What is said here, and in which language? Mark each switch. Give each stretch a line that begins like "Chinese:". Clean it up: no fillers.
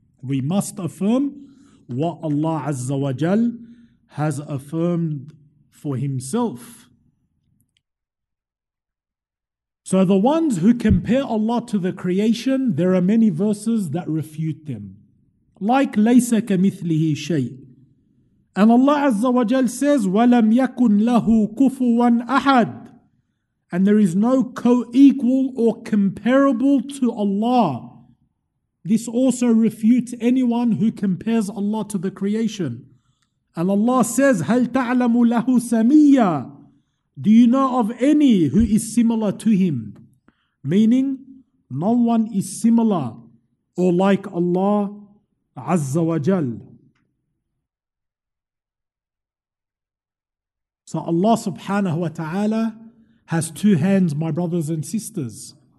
English: We must affirm what Allah Azza wa Jal has affirmed for himself. So the ones who compare Allah to the creation, there are many verses that refute them. Like,
Arabic: لَيْسَ كَمِثْلِهِ شَيْءٍ.
English: And Allah Azza wa Jal says,
Arabic: وَلَمْ يَكُنْ لَهُ كُفُوًا أَحَدٍ.
English: And there is no co-equal or comparable to Allah. This also refutes anyone who compares Allah to the creation. And Allah says,
Arabic: هَلْ تَعْلَمُ لَهُ سَمِيًّا.
English: Do you know of any who is similar to him? Meaning, no one is similar or like Allah Azza wa Jal. So Allah subhanahu wa ta'ala has two hands, my brothers and sisters.